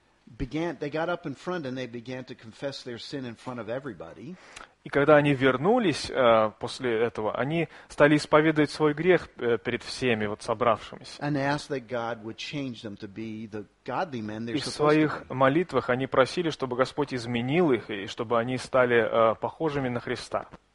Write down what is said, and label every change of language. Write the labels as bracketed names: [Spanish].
[English] They got up in front and they began to confess their sin in front of everybody. [Russian] И когда они вернулись после этого, они стали исповедовать свой грех перед всеми вот собравшимися. [English] And they asked that God would change them to be the godly men they're supposed to be. [Russian] И в своих молитвах они просили, чтобы Господь изменил их и чтобы они стали похожими на Христа.